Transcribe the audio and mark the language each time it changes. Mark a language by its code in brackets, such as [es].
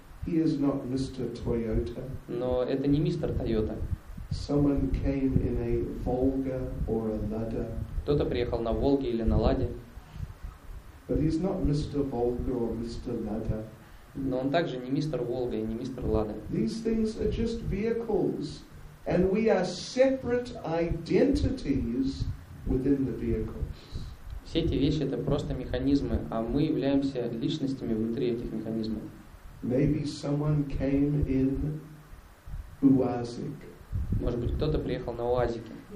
[en] He is not Mr. Toyota. [ru] Но это не мистер Тойота. [en] Someone came in a Volga or a Lada. [ru] Кто-то приехал на Волге или на Ладе. [en] But he's not Mr. Volga or Mr. Lada. [ru] Но он также не мистер Волга и не мистер Лада. [en] These things are just vehicles, and we are separate identities within the vehicles. [ru] Все эти вещи — это просто механизмы, а мы являемся личностями внутри этих механизмов. [en] Maybe someone came in Уазик. [ru] Может быть, кто-то приехал на Уазике.